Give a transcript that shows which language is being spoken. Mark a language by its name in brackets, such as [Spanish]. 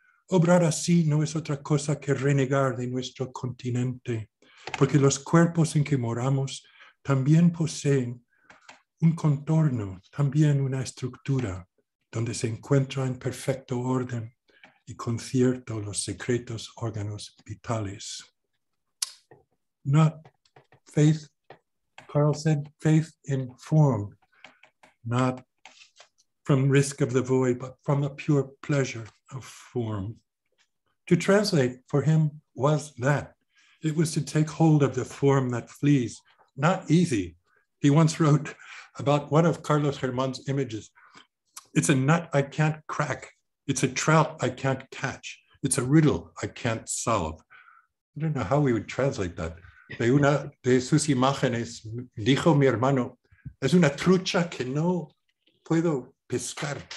[Spanish] Obrar así no es otra cosa que renegar de nuestro continente, porque los cuerpos en que moramos también poseen un contorno, también una estructura, donde se encuentra en perfecto orden y concierto los secretos órganos vitales. [English] Not faith, Carl said, faith in form, not from risk of the void, but from the pure pleasure of form. To translate for him was that. It was to take hold of the form that flees. Not easy. He once wrote about one of Carlos Germán's images. It's a nut I can't crack. It's a trout I can't catch. It's a riddle I can't solve. I don't know how we would translate that. [Spanish] De una de sus imágenes, dijo mi hermano, es una trucha que no puedo pescar.